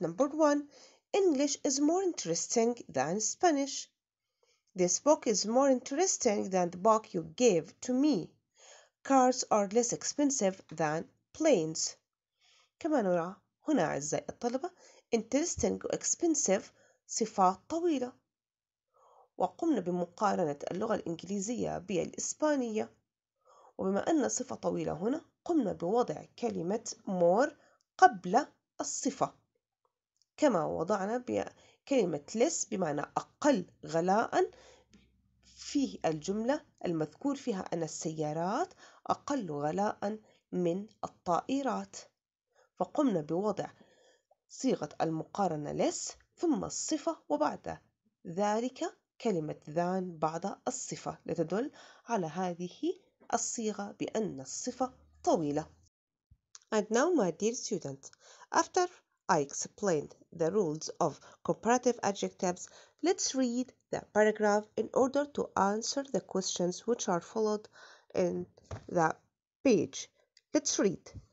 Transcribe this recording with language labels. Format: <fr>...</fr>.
<en>Number one, English is more interesting than Spanish. This book is more interesting than the book you gave to me. Cars are less expensive than planes.</en> <ar>كما نرى هنا أعزائي الطلبة interesting و expensive صفات طويلة. وقمنا بمقارنة اللغة الإنجليزية بالإسبانية. وبما أن صفة طويلة هنا قمنا بوضع كلمة more قبل الصفة. كما وضعنا كلمة less بمعنى أقل غلاء في الجملة المذكور فيها أن السيارات أقل غلاء من الطائرات. فقمنا بوضع صيغة المقارنة less ثم الصفة وبعد ذلك كلمة than بعد الصفة لتدل على هذه الصيغة بأن الصفة طويلة.</ar> <en>And now my dear student, after I explained the rules of comparative adjectives, let's read the paragraph in order to answer the questions which are followed in that page. Let's read.</en>